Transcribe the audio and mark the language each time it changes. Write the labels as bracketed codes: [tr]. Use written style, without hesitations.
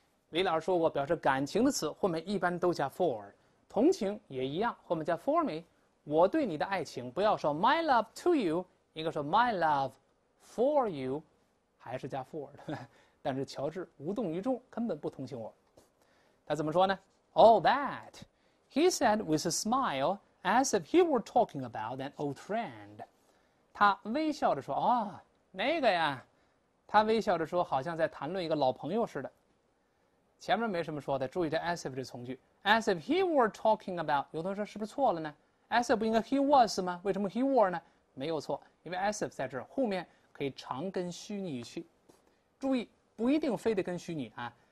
[zh] 李老师说过，表示感情的词后面一般都加 for，同情也一样，后面加 [en] for me， [zh] 我对你的爱情，不要说 [en] my love to you， [zh] 应该说 [en] my love for you， [zh] 还是加 for 的。但是乔治无动于衷，根本不同情我。他怎么说呢？ [en] All that he said with a smile as if he were talking about an old friend。 [zh] 他微笑着说，哦，那个呀，他微笑着说，好像在谈论一个老朋友似的。前面没什么说的，注意这 as if 这从句。 [en] As if he were talking about， [zh] 有同学说是不是错了呢？ As if 不应该 [en] he was [zh] 吗？为什么 [en] he were [zh] 呢？没有错，因为 as if 在这后面可以常跟虚拟语气，注意不一定非得跟虚拟啊。